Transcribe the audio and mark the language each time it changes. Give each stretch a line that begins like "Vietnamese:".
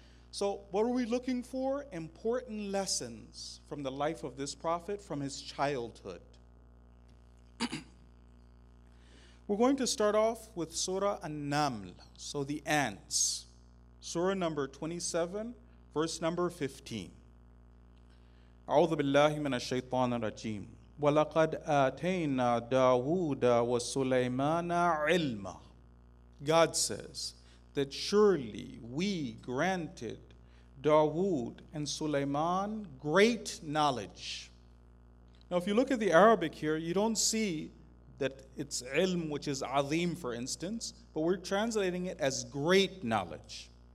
English: So what are we looking for? Important lessons from the life of this prophet from his childhood. We're going to start off with Surah An-Naml, so the ants. Surah number 27. Verse number 15.
Arabic: أعوذ بالله من الشيطان الرجيم ولقد آتينا داود وسليمان علما.
English: God says that surely we granted Dawood and Sulaiman great knowledge. Now if you look at the Arabic here, you don't see that it's ilm, which is azim for instance, but we're translating it as great knowledge.